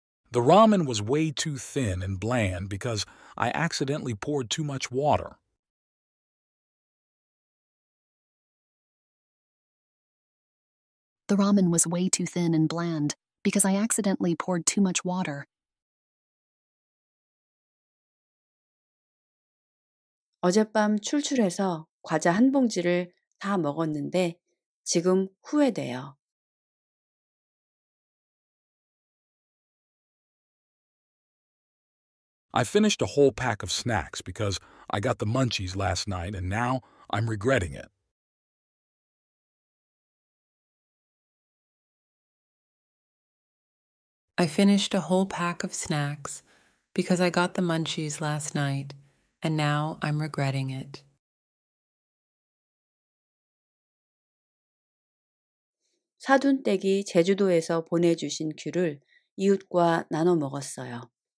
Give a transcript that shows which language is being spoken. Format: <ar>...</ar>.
<en>The ramen was way too thin and bland because I accidentally poured too much water. The ramen was way too thin and bland because I accidentally poured too much water.</en> <ko>어젯밤 출출해서 과자 한 봉지를 다 먹었는데 지금 후회돼요.</ko> <en>I finished a whole pack of snacks because I got the munchies last night and now I'm regretting it. I finished a whole pack of snacks because I got the munchies last night, and now I'm regretting it.</en> <ko>사돈댁이 제주도에서 보내주신 귤을 이웃과 나눠 먹었어요.</ko>